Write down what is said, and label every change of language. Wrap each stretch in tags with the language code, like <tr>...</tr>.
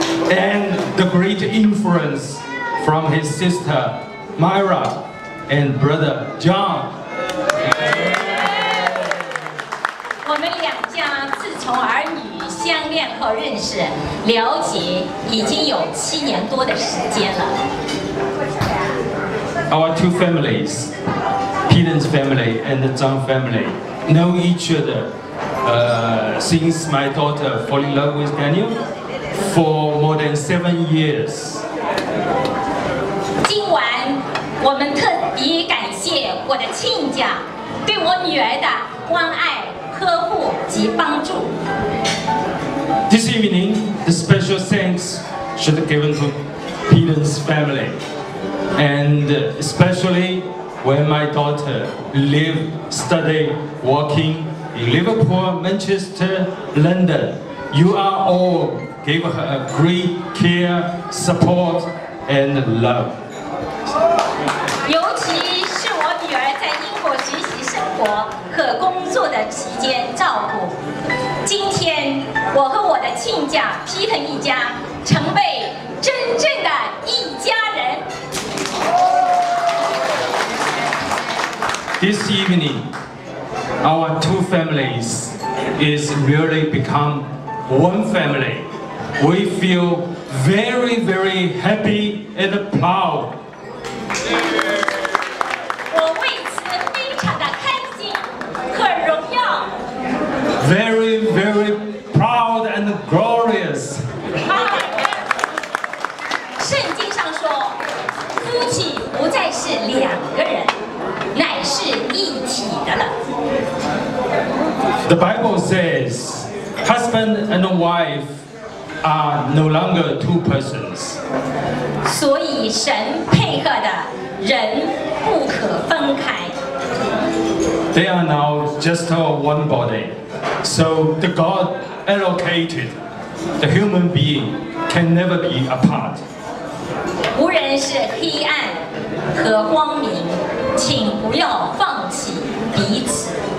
<en>and the great influence from his sister Myra and brother John.</en> <zh>我们两家自从儿女相恋后认识了解已经有七年多的时间了。</zh> <en>Our two families, Peden's family and the John family, know each other. Since my daughter fell in love with Daniel for more than 7 years.</en> <zh>今晚我们特别感谢我的亲家对我女儿的关爱、呵护及帮助。</zh> <en>This evening, the special thanks should be given to Peden's family, and especially when my daughter lived, studied, working. Liverpool, Manchester, London, you are all gave her a great care, support, and love.</en> <zh>尤其是我女儿在英国学习、生活和工作的期间照顾。今天，我和我的亲家皮特一家成为真正的一家人。</zh> <en>This evening. Our two families is really become one family. We feel very, very happy and proud.</en> <zh>我为此非常的开心和荣耀。</zh> <en>Very, very proud and glorious.</en> <zh>圣经上说，夫妻不再是两个人，乃是一体的了。</zh> <en>The Bible says, husband and wife are no longer two persons.</en> <zh>所以神配合的人不可分开。</zh> <en>They are now just one body. So the God allocated, the human being can never be apart.</en> <zh>无人是黑暗和光明，请不要放弃彼此。</zh>